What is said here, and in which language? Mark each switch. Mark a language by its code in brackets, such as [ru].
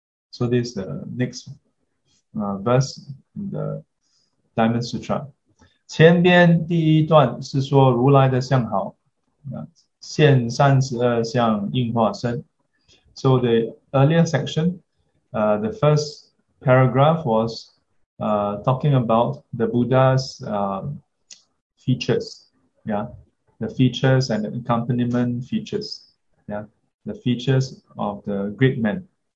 [en] So this is the next verse in the Diamond Sutra. [zh] 前边第一段是说如来的相好, 现32相应化身. [en] So the earlier section, the first paragraph was talking about the Buddha's features, yeah, the features and the accompaniment features, yeah, the features of the great man.